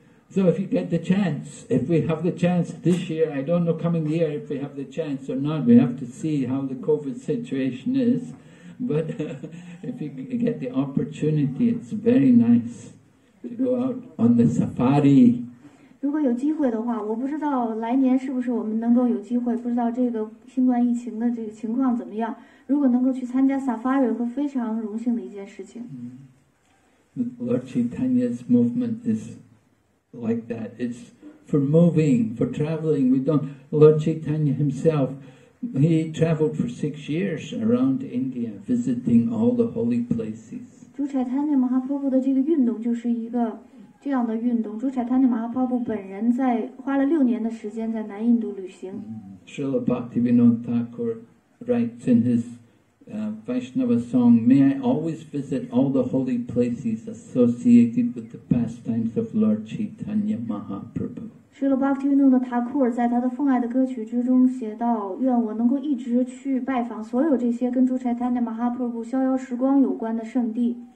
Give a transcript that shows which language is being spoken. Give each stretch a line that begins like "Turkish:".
English: So if you get the chance if we have the chance this year I don't know coming year if we have the chance or not we have to see how the COVID situation is but if you get the opportunity it's very nice to go out on the safari
Chinese: 如果有机会的话，我不知道来年是不是我们能够有机会，不知道这个新冠疫情的这个情况怎么样。如果能够去参加 Safari， 会非常荣幸的一件事情。
English: Lord Chaitanya's movement is like that. It's for moving, for traveling. We don't. Lord Chaitanya himself, he traveled for 6 years around India, visiting all the holy places.
Chinese: 主柴坦尼马哈波布的这个运动就是一个。这样的运动，朱柴坦尼马哈帕布本人在花了6年的时间在南印度旅行。
English: Srila Bhaktivinoda Thakur writes in his Vaishnava song, "May I always visit all the holy places associated with the pastimes of Lord Chaitanya Mahaprabhu."
Chinese: Srila Bhaktivinoda Thakur 在他的《奉爱的歌曲》之中写道：“愿我能够一直去拜访所有这些跟朱柴坦尼马哈帕布逍遥时光有关的圣地。”